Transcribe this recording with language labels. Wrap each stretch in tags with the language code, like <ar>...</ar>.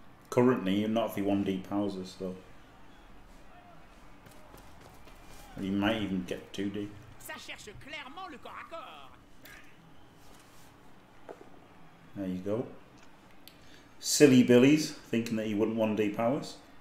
<en>currently, not if he 1D powers us though. You might even get 2D.</en> <fr>Ça cherche clairement le corps à corps.</fr> <en>There you go. Silly Billies, thinking that he wouldn't 1D powers.</en>